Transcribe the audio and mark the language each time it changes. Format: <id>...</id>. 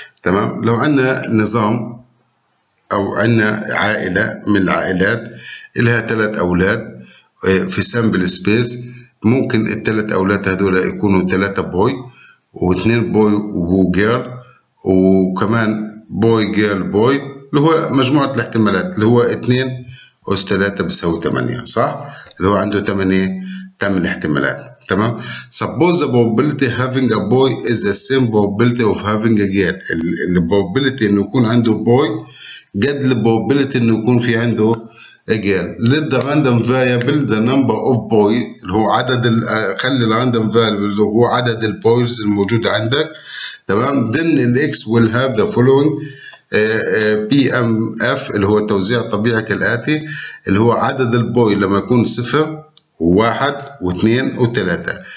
<ar>تمام، لو عندنا نظام او عندنا عائله من العائلات لها 3 اولاد في سامبل سبيس، ممكن الثلاث اولاد هذول يكونوا 3 بوي و2 بوي و2 جيرل، وكمان بوي جيرل بوي اللي هو مجموعه الاحتمالات اللي هو 2 أس 3 بيساوي 8، صح؟ اللي هو عنده 8 احتمالات.</ar> <en>تمام، suppose the probability having a boy is the same probability of having a girl.</en> <ar>ال probability انه يكون عنده boy قد ال probability انه يكون في عنده a girl.</ar> <en>let the random variable the number of boy</en> <ar>اللي هو عدد ال خلي ال random variable اللي هو عدد ال boys الموجود عندك. تمام، then ال x</ar> <en>will have the following PMF</en> <ar>اللي هو التوزيع الطبيعي كالآتي، اللي هو عدد البوي لما يكون 0 و1 و2 و3.</ar>